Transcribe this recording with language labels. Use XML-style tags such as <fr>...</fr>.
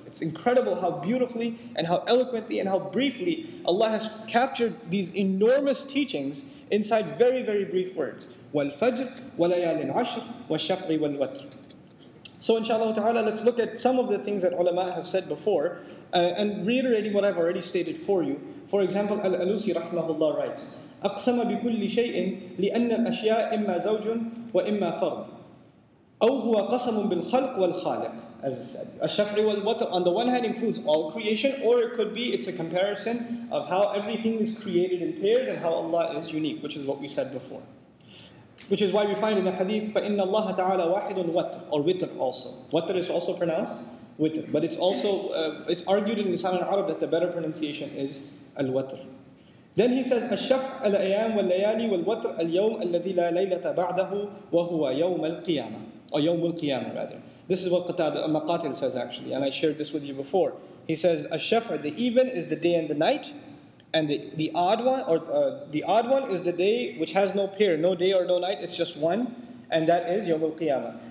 <en>It's incredible how beautifully and how eloquently and how briefly Allah has captured these enormous teachings inside very, very brief words.</en> <ar>وَالْفَجْرِ وَلَيَالٍ عَشْرِ وَالشَّفْعِ وَالْوَتْرِ.</ar> <en>So inshallah ta'ala, let's look at some of the things that ulama have said before and reiterating what I've already stated for you. For example, Al-Alusi rahmahullah writes,</en> <ar>أَقْسَمَ بِكُلِّ شَيْءٍ لِأَنَّ الْأَشْيَاءِ إِمَّا زَوْجٌ وَإِمَّا فَرْضٌ. أو هو قسم بالخلق والخالق.</ar> <en>As I said, الشفعي والوتر on the one hand includes all creation, or it could be it's a comparison of how everything is created in pairs and how Allah is unique, which is what we said before. Which is why we find in the hadith,</en> <ar>فَإِنَّ اللَّهَ تَعَالَى وَاحِدٌ وَتْرٌ,</ar> <en>or witr also. Watr is also pronounced witr, but it's also it's argued in Lisan al-Arab that the better pronunciation is al-watr. Then he says,</en> <ar>الشفع الأيام والليالي والوتر اليوم الذي لا ليلة بعده وهو يوم القيامة.</ar> <en>Or Yawm al-Qiyamah rather. This is what Maqatil says actually, and I shared this with you before. He says, Ash-Shaf'a, the even is the day and the night, and the odd one is the day which has no pair, no day or no night, it's just one, and that is Yawm al-Qiyamah.</en>